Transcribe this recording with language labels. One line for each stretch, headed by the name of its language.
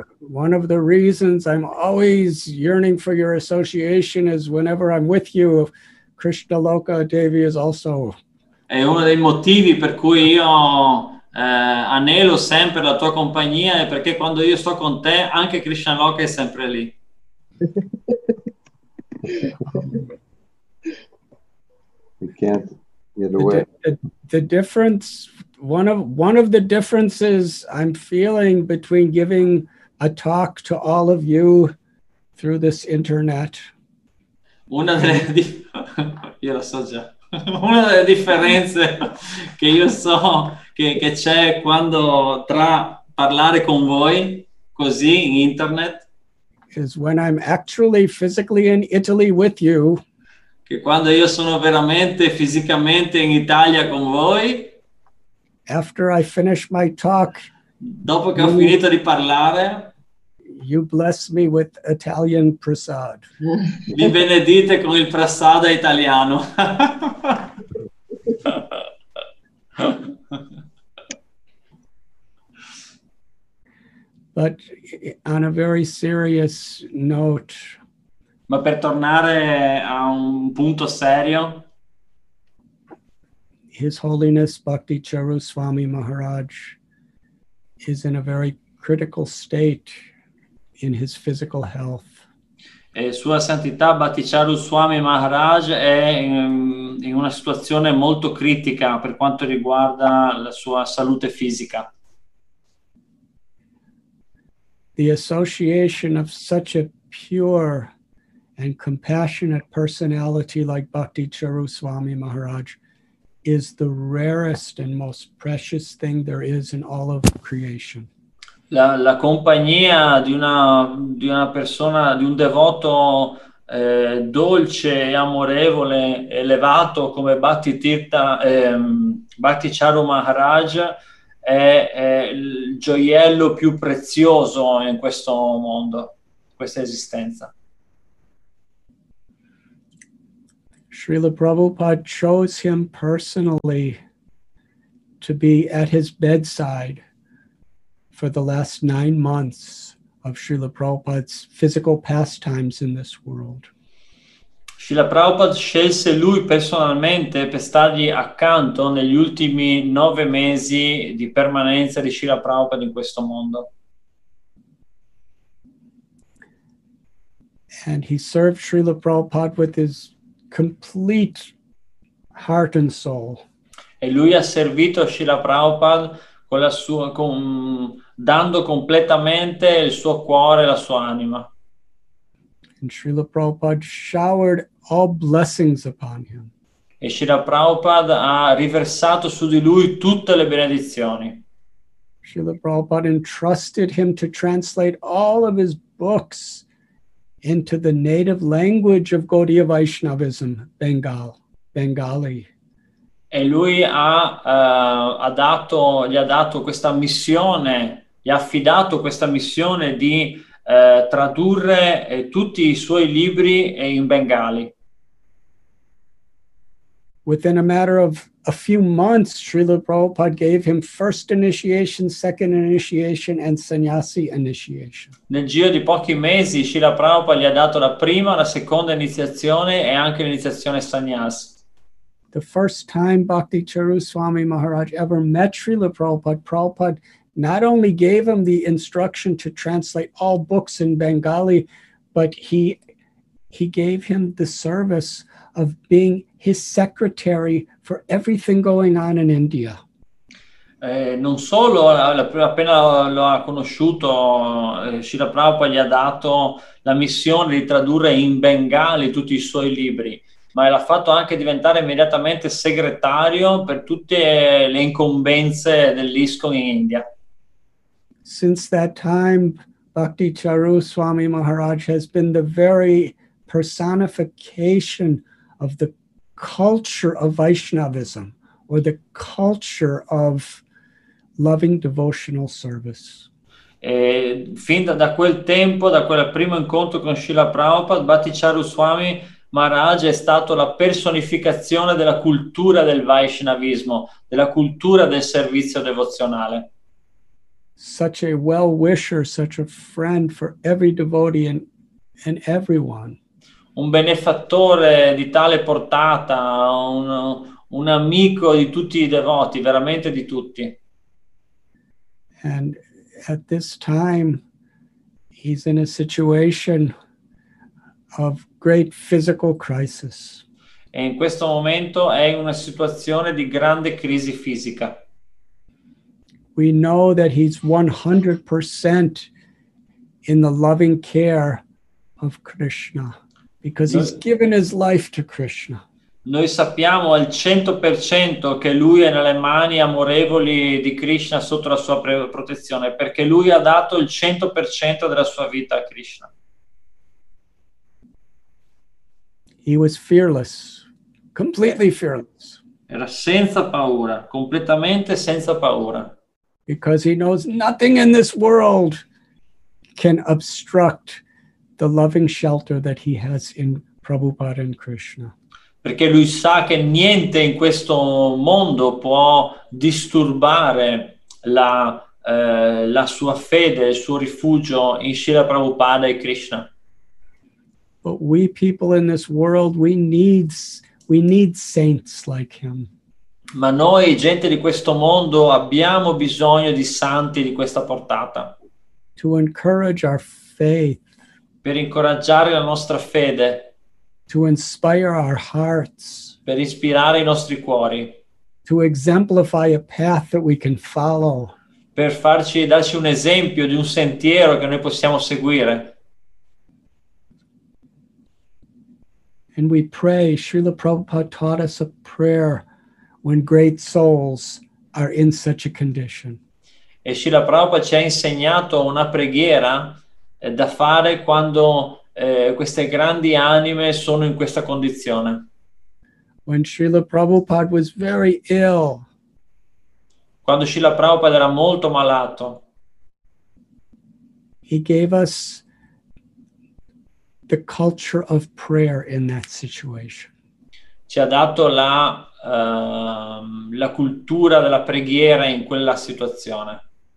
English: One of the reasons I'm always yearning for your association is whenever I'm with you, Krishna Loka Devi is also.
Italian: È uno dei motivi per cui io anelo sempre la tua compagnia è perché quando io sto con te anche Krishna Loka è sempre lì.
English: You can't get away. The difference, one of the differences I'm feeling between giving a talk to all of you through this internet.
Italian: Una delle io lo so già. Una delle differenze che io so che c'è quando tra parlare con voi così in internet
English: is when I'm actually physically in Italy with you,
Italian: che quando io sono veramente fisicamente in Italia con voi,
English: after I finish my talk,
Italian: dopo che ho finito di parlare,
English: you bless me with Italian prasad.
Italian: Mi benedite con il prasada italiano.
English: But But on a very serious note.
Italian: Ma per tornare a un punto serio.
English: His Holiness Bhakti Charu Swami Maharaj is in a very critical state in his physical health.
Italian: E Sua Santità Bhakti Charu Swami Maharaj è in una situazione molto critica per quanto riguarda la sua salute fisica.
English: The association of such a pure and compassionate personality like Bhakti Charu Swami Maharaj is the rarest and most precious thing there is in all of creation.
Italian: La compagnia di una persona, di un devoto dolce e amorevole, elevato come Bhakti Charu Maharaj è il gioiello più prezioso in questo mondo, questa esistenza.
English: Srila Prabhupada chose him personally to be at his bedside for the last 9 months of Srila Prabhupada's physical pastimes in this world.
Italian: Srila Prabhupada scelse lui personalmente per stargli accanto negli ultimi 9 mesi di permanenza di Srila Prabhupada in questo mondo.
English: And he served Srila Prabhupada with his complete heart and soul.
Italian: E lui ha servito Srila Prabhupada con la sua dando completamente il suo cuore e la sua anima.
English: And Srila Prabhupada showered all blessings upon him.
Italian: E Srila Prabhupada ha riversato su di lui tutte le benedizioni.
English: Srila Prabhupada entrusted him to translate all of his books into the native language of Gaudiya Vaishnavism, Bengali.
Italian: E lui gli ha dato questa missione, gli ha affidato questa missione di tradurre tutti i suoi libri in Bengali.
English: Within a matter of a few months, Srila Prabhupada gave him first initiation, second initiation, and sannyasi initiation.
Italian: Nel giro di pochi mesi, Srila Prabhupada gli ha dato la prima, la seconda iniziazione e anche l'iniziazione sannyasi.
English: The first time Bhakti Charu Swami Maharaj ever met Srila Prabhupada, Prabhupada not only gave him the instruction to translate all books in Bengali, but he gave him the service of being his secretary for everything going on in India.
Italian: Non solo appena lo ha conosciuto, Srila Prabhupada gli ha dato la missione di tradurre in Bengali tutti i suoi libri, ma l'ha fatto anche diventare immediatamente segretario per tutte le incombenze dell'ISKCON in India.
English: Since that time, Bhakti Charu Swami Maharaj has been the very personification of the culture of Vaishnavism, or the culture of loving devotional service.
Italian: Fin da quel tempo, da quel primo incontro con Srila Prabhupada, Bhakti Charu Swami Maharaj è stato la personificazione della cultura del Vaishnavismo, della cultura del servizio devozionale.
English: Such a well-wisher, such a friend for every devotee and everyone.
Italian: Un benefattore di tale portata, un amico di tutti i devoti, veramente di tutti.
English: And at this time he's in a situation of great physical crisis.
Italian: E in questo momento è in una situazione di grande crisi fisica.
English: We know that he's 100% in the loving care of Krishna, because he's given his life to Krishna.
Italian: Noi sappiamo al 100% che lui è nelle mani amorevoli di Krishna sotto la sua protezione, perché lui ha dato il 100% della sua vita a Krishna.
English: He was fearless, completely fearless.
Italian: Era senza paura, completamente senza paura.
English: Because he knows nothing in this world can obstruct the loving shelter that he has in Prabhupada and Krishna.
Italian: Perché lui sa che niente in questo mondo può disturbare la la sua fede, il suo rifugio in Srila Prabhupada e Krishna.
English: But we people in this world, we need saints like him.
Italian: Ma noi, gente di questo mondo, abbiamo bisogno di santi di questa portata.
English: To encourage our faith.
Italian: Per incoraggiare la nostra fede.
English: To inspire our hearts.
Italian: Per ispirare i nostri cuori.
English: To exemplify a path that we can follow.
Italian: Per darci un esempio di un sentiero che noi possiamo seguire.
English: And we pray, Srila Prabhupada taught us a prayer when great souls are in such a condition.
Italian: E Srila Prabhupada ci ha insegnato una preghiera da fare quando queste grandi anime sono in questa condizione.
English: When Srila Prabhupada was very ill.
Italian: Quando Srila Prabhupada era molto malato.
English: He gave us the culture of prayer in that situation.
Italian: Ci ha dato la cultura della preghiera in quella situazione.